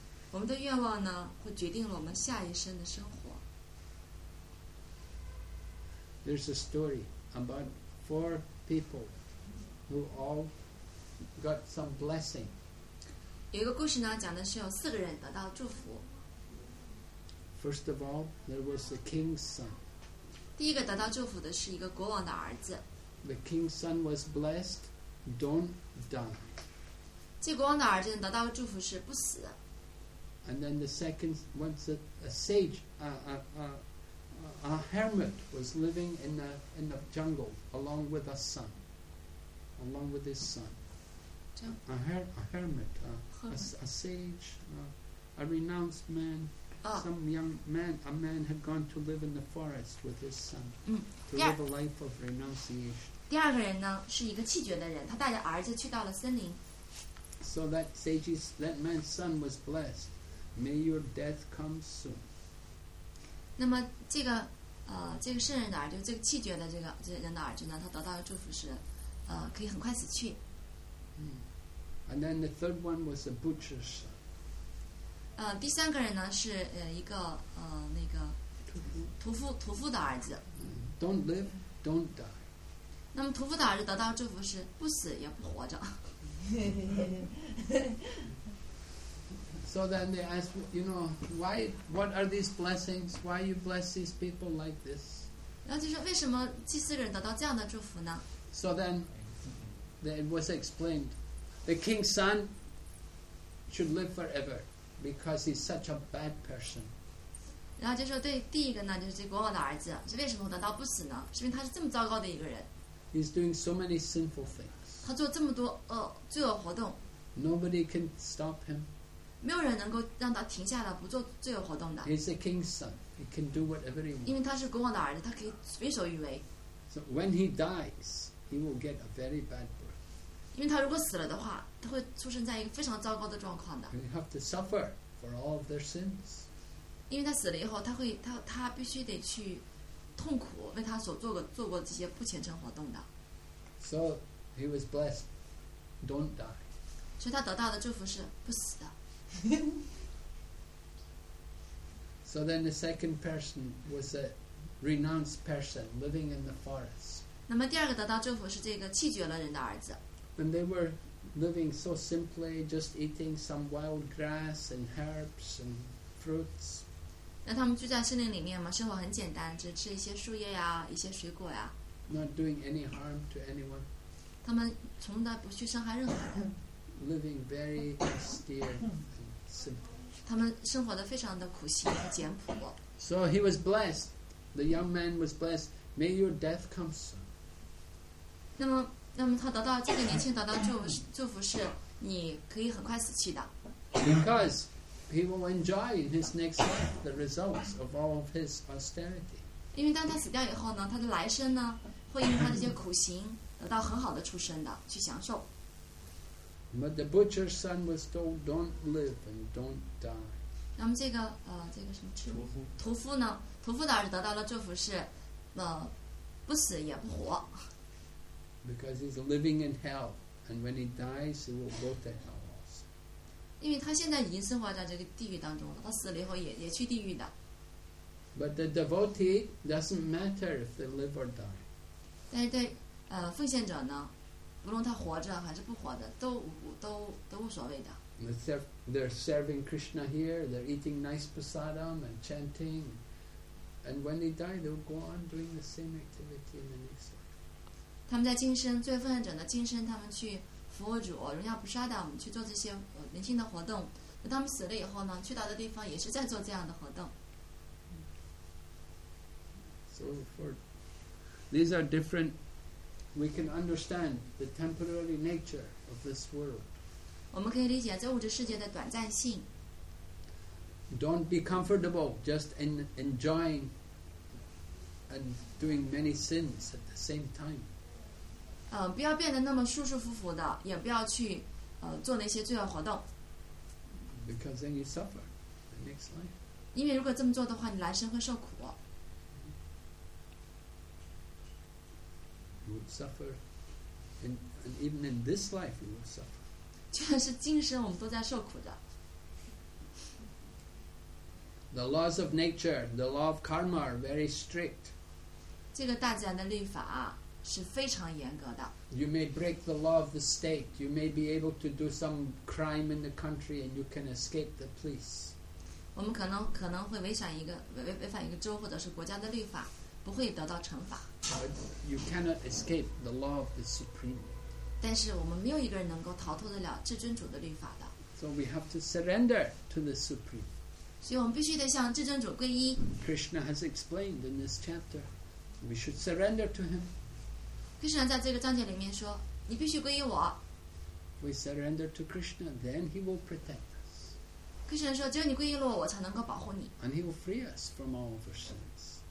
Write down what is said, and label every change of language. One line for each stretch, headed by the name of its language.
Chinese: 我们的愿望呢，会决定了我们下一生的生活。
English: There's a story about four people who all got some blessing.
Chinese: 有一个故事呢，讲的是有四个人得到祝福。
English: First of all, there was the king's son.
Chinese: 第一个得到祝福的是一个国王的儿子。
English: The king's son was blessed, don't die.
Chinese: 这国王的儿子得到祝福是不死。
English: And then the second, once a sage, a hermit was living in the jungle along with a son, along with his son. A hermit, a sage, a renounced man, some young man, a man had gone to live in the forest with his son to live a life of renunciation.
Chinese: 第二个人呢，是一个气绝的人，他带着儿子去到了森林。
English: So that sages, that man's son was blessed. May your death come soon.
Chinese: 那么这个这个圣人的儿，就这个弃绝的这个这人的儿子呢，他得到的祝福是，可以很快死去。嗯。
English: And then the third one was a butcher's son.
Chinese: 第三个人呢是一个那个屠夫的儿子。
English: Mm. Don't live, don't die.
Chinese: 那么屠夫的儿子得到的祝福是不死也不活着。
English: So then they ask, you know, why? What are these blessings? Why you bless these people like this?
Chinese: 然后就说为什么祭司人得到这样的祝福呢
English: ？So then, it was explained, the king's son should live forever because he's such a bad person.
Chinese: 然后就说对第一个呢，就是这国王的儿子，是为什么得到不死呢？是因为他是这么糟糕的一个人。
English: He's doing so many sinful things.
Chinese: 他做这么多罪恶活动。
English: Nobody can stop him.
Chinese: 没有人能够让他停下来不做罪恶活动的。
English: He's the king's son. He can do whatever he wants.
Chinese: 因为他是国王的儿子，他可以随手欲为。
English: So when he dies, he will get a very bad birth.
Chinese: 因为他如果死了的话，他会出生在一个非常糟糕的状况的。
English: He'll have to suffer for all of their sins.
Chinese: 因为他死了以后，他必须得去痛苦，为他所做过这些不虔诚活动的。
English: So he was blessed. Don't die.
Chinese: 所以他得到的祝福是不死的。
English: So then the second person was a renounced person living in the forest.
Chinese: 那么第二个得到祝福是这个弃绝了人的儿子。
English: And they were living so simply, just eating some wild grass and herbs and fruits.
Chinese: 那他们住在森林里面嘛，生活很简单，只吃一些树叶呀，一些水果呀。
English: Not doing any harm to anyone.
Chinese: 他们从来不去伤害任何人。
English: Living very austere and simple.
Chinese: 他们生活得非常的苦行和简朴。
English: So he was blessed. The young man was blessed. May your death come soon.
Chinese: 那么他得到这个年轻得到祝福是你可以很快死去的。
English: Because he will enjoy in his next life the results of all of his austerity.
Chinese: 因为当他死掉以后呢，他的来生呢，会因为他这些苦行得到很好的出身的去享受。
English: But the butcher's son was told, "Don't live and don't die."
Chinese: 那么这个这个什么屠夫呢？屠夫的儿子得到了祝福是，不死也不活。
English: Because he's living in hell, and when he dies, he will go to hell also.
Chinese: 因为他现在已经生活在这个地狱当中了，他死了以后也去地狱的。
English: But the devotee doesn't matter if they live or die.
Chinese: 但是对奉献者呢？不论他活着还是不活着，都无所谓的。
English: They're serving Krishna here. They're eating nice prasadam and chanting. And when they die, they'll go on doing the same activity in the next life.
Chinese: 他们在今生最奉献者的今生，他们去服务主，荣耀菩萨的，我们去做这些灵性的活动。那他们死了以后呢？去到的地方也是在做这样的活动。
English: So for these are different. We can understand the temporary nature of this world.
Chinese: 我们可以理解这物质世界的短暂性。
English: Don't be comfortable just in enjoying and doing many sins at the same time.
Chinese: 不要变得那么舒舒服服的，也不要去做那些罪恶活动。
English: Because then you suffer the next life.
Chinese: 因为如果这么做的话，你来生会受苦。
English: You would suffer, and even in this life, you would suffer.
Chinese: 就算是今生，我们都在受苦的。
English: The laws of nature, the law of karma, are very strict.
Chinese: 这个大自然的律法是非常严格的。
English: You may break the law of the state. You may be able to do some crime in the country, and you can escape the police.
Chinese: 我们可能会违反一个州或者是国家的律法，不会得到惩罚。
English: But you cannot escape the law of the supreme.
Chinese: 但是我们没有一个人能够逃脱得了至尊主的律法的。
English: So we have to surrender to the supreme.
Chinese: 所以我们必须得向至尊主皈依。
English: Krishna has explained in this chapter, we should surrender to him.
Chinese: Krishna 在这个章节里面说，你必须皈依我。
English: We surrender to Krishna, then he will protect us.
Chinese: Krishna 说，只有你皈依了我，我才能够保护你。
English: And he will free us from all of our sins.